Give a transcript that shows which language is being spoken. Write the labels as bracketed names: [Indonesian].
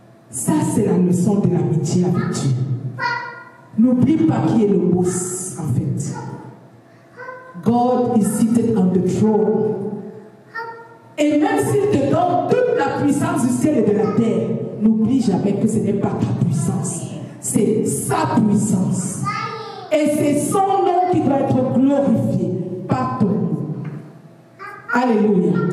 [French] Ça, c'est la leçon de l'amitié avec Dieu. N'oublie pas qui est le boss, en fait. [English] God is seated on the throne. [French] Et même s'il te donne toute la puissance du ciel et de la terre, n'oublie jamais que ce n'est pas ta puissance. C'est sa puissance. Et c'est son nom qui doit être glorifié, pas ton nom. Alléluia.